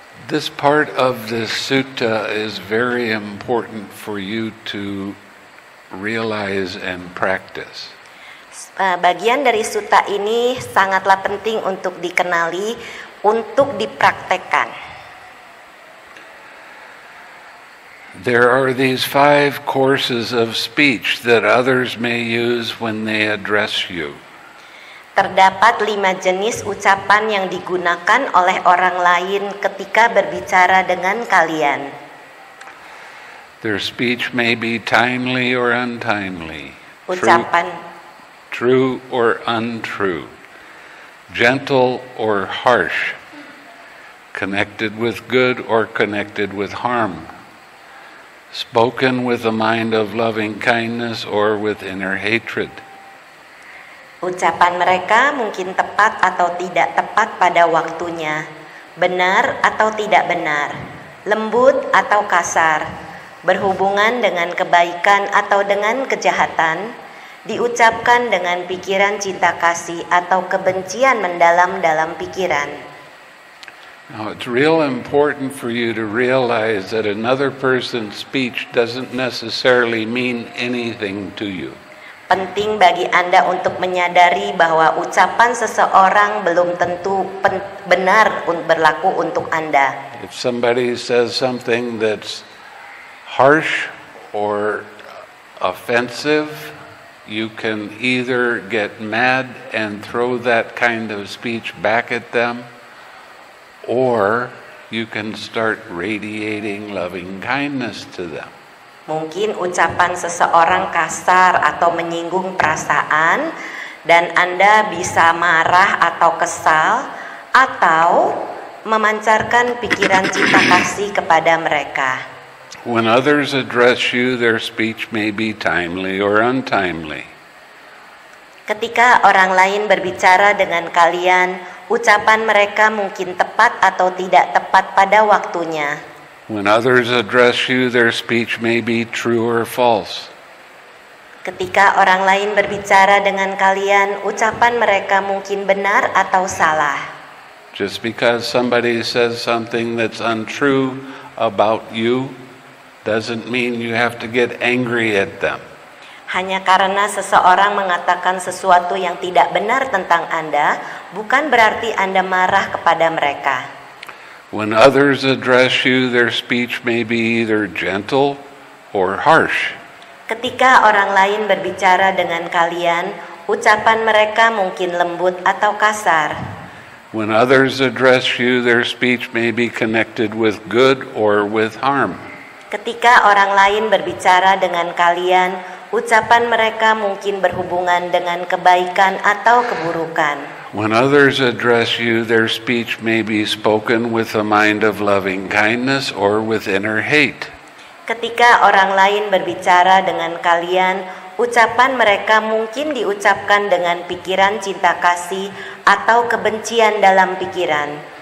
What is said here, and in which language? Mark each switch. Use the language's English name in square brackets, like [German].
[English] This part of this sutta is very important for you to realize and practice. [Indonesian] Bagian dari sutta ini sangatlah penting untuk dikenali, untuk dipraktekkan. [English] There are these five courses of speech that others may use when they address you. [Indonesian] Terdapat lima jenis ucapan yang digunakan oleh orang lain ketika berbicara dengan kalian. [English] Their speech may be timely or untimely. [Indonesian] Ucapan. [English] True or untrue. Gentle or harsh. Connected with good or connected with harm. Spoken with a mind of loving kindness or with inner hatred. [Indonesian] Ucapan mereka mungkin tepat atau tidak tepat pada waktunya, benar atau tidak benar, lembut atau kasar, berhubungan dengan kebaikan atau dengan kejahatan, diucapkan dengan pikiran cinta kasih atau kebencian mendalam dalam pikiran. [English] Now it's real important for you to realize that another person's speech doesn't necessarily mean anything to you. [Indonesian] Penting bagi Anda untuk menyadari bahwa ucapan seseorang belum tentu benar berlaku untuk Anda. [English] If somebody says something that's harsh or offensive, you can either get mad and throw that kind of speech back at them, or you can start radiating loving kindness to them. [Indonesian] Mungkin ucapan seseorang kasar atau menyinggung perasaan dan Anda bisa marah atau kesal atau memancarkan pikiran cinta kasih kepada mereka. [English] When others address you, their speech may be timely or untimely. [Indonesian] Ketika orang lain berbicara dengan kalian, ucapan mereka mungkin tepat atau tidak tepat pada waktunya. [English] When others address you, their speech may be true or false. [Indonesian] Ketika orang lain berbicara dengan kalian, ucapan mereka mungkin benar atau salah. [English] Just because somebody says something that's untrue about you doesn't mean you have to get angry at them. [Indonesian] Hanya karena seseorang mengatakan sesuatu yang tidak benar tentang Anda, bukan berarti Anda marah kepada mereka. [English] When others address you, their speech may be either gentle or harsh. [Indonesian] Ketika orang lain berbicara dengan kalian, ucapan mereka mungkin lembut atau kasar. [English] When others address you, their speech may be connected with good or with harm. [Indonesian] Ketika orang lain berbicara dengan kalian, ucapan mereka mungkin berhubungan dengan kebaikan atau keburukan. [English] When others address you, their speech may be spoken with a mind of loving kindness or with inner hate. [Indonesian] Ketika orang lain berbicara dengan kalian, ucapan mereka mungkin diucapkan dengan pikiran cinta kasih atau kebencian dalam pikiran.